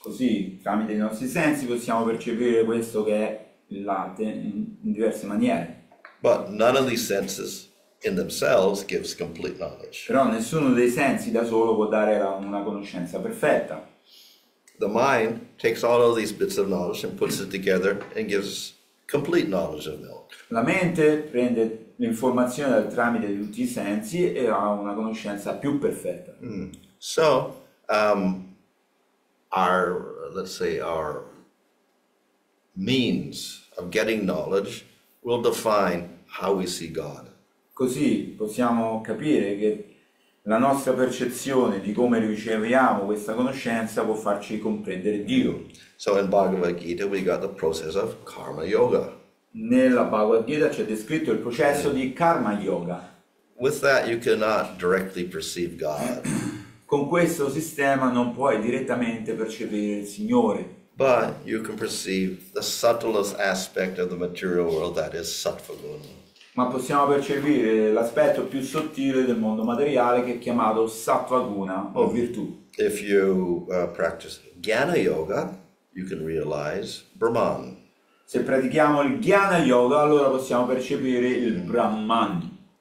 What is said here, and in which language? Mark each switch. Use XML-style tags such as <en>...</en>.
<it>Così, tramite i nostri sensi, possiamo percepire questo che è il latte in diverse maniere.</it> <en>But none of these senses in themselves gives complete knowledge.</en> <it>Però nessuno dei sensi da solo può dare una conoscenza perfetta.</it> <en>The mind takes all of these bits of knowledge and puts it together and gives complete knowledge of milk.</en> <it>La mente prende l'informazione tramite tutti i sensi e ha una conoscenza più perfetta. Mm.</it> <en>So, our means of getting knowledge will define how we see God.</en> <it>Così possiamo capire che la nostra percezione di come riceviamo questa conoscenza può farci comprendere Dio.</it> <en>So in Bhagavad Gita we got the process of karma yoga.</en> <it>Nella Bhagavad Gita c'è descritto il processo di karma yoga.</it> <en>With that you cannot directly perceive God.</en> <it>Con questo sistema non puoi direttamente percepire il Signore.</it> <en>But you can perceive the subtlest aspect of the material world, that is sattva-guna.</en> <it>Ma possiamo percepire l'aspetto più sottile del mondo materiale che è chiamato sattva-guna o virtù.</it> <en>If you practice jnana yoga, you can realize Brahman.</en> <it>Se pratichiamo il Jnana Yoga, allora possiamo percepire il Brahman.</it>